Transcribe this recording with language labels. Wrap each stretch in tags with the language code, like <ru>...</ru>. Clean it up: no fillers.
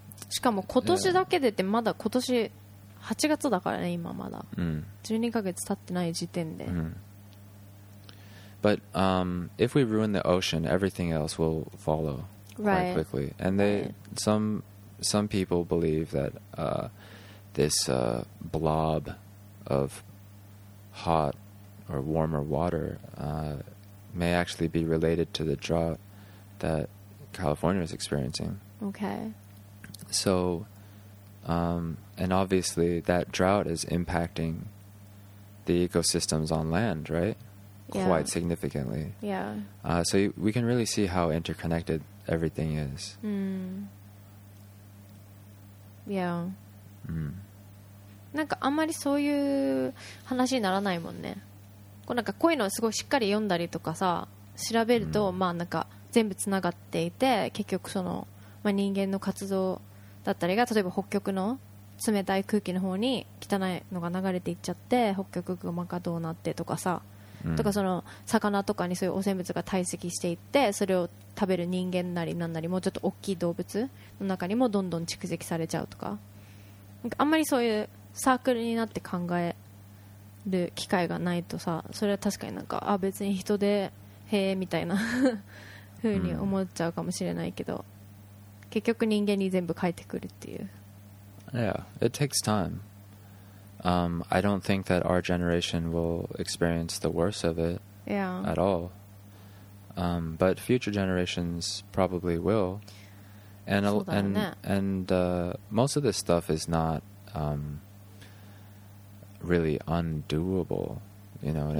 <ja>しかも今年だけでって、まだ今年8月だからね、今まだ。12ヶ月経ってない時点で。</ja> <en>But if we ruin the ocean, everything else will follow quite quickly. And they some people believe that this blob of hot or warmer water may actually be related to the drought that California is experiencing. Okay. So, and obviously that drought is impacting the ecosystems on land, right? Yeah. Quite significantly. Yeah. So we can really see how interconnected everything is. Mm. Yeah. Mm.</en> <ja>なんかあんまりそういう話にならないもんね。こうなんかこういうのをすごいしっかり読んだりとかさ、調べると、まあなんか全部つながっていて、結局その、まあ、人間の活動だったりが、例えば北極の冷たい空気の方に汚いのが流れていっちゃって、北極熊がどうなってとかさ、とかその魚とかにそういう汚染物が堆積していって、それを食べる人間なりなんなり、もうちょっと大きい動物の中にもどんどん蓄積されちゃうとか、なんかあんまりそういうサークルになって考える機会がないとさ、それは確かになんか、あ、別に人でへえみたいな風に思っちゃうかもしれないけど、結局人間に全部返ってくるっていう。</ja> <en>Yeah, it takes time. I don't think that our generation will experience the worst of it at all. But future generations probably will. Most of this stuff is not really undoable, you know what I</en>